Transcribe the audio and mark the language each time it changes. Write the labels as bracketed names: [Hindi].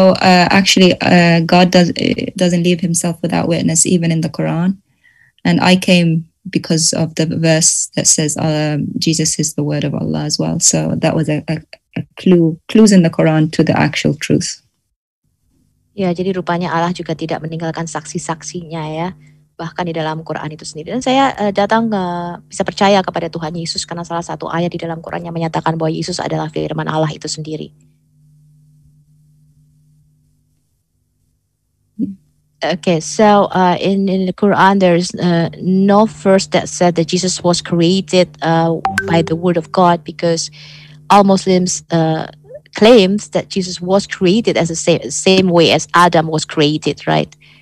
[English] So God doesn't leave himself without witness even in the Quran, and I came because of the verse that says Jesus is the word of Allah as well, so that was a clue in the Quran to the actual truth. [Indonesian] Jadi rupanya Allah juga tidak meninggalkan saksi-saksinya ya, bahkan di dalam Quran itu sendiri. Dan saya datang bisa percaya kepada Tuhan Yesus karena salah satu ayat di dalam Quran yang menyatakan bahwa Yesus adalah firman Allah itu sendiri. [English] Okay, so in the Quran there's no verse that said that Jesus was created by the word of God, because all Muslims claims that Jesus was created as the same way as Adam was created, right?